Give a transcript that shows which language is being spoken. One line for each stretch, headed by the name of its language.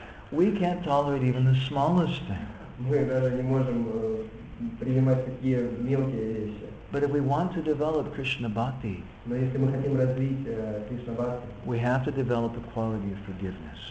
English: We can't tolerate even the smallest thing.
Russian: Мы даже не можем принимать такие мелкие вещи.
English: But if we want to develop Krishna Bhakti,
Russian: но если мы хотим развить Кришна Бхакти,
English: we have to develop the quality of forgiveness.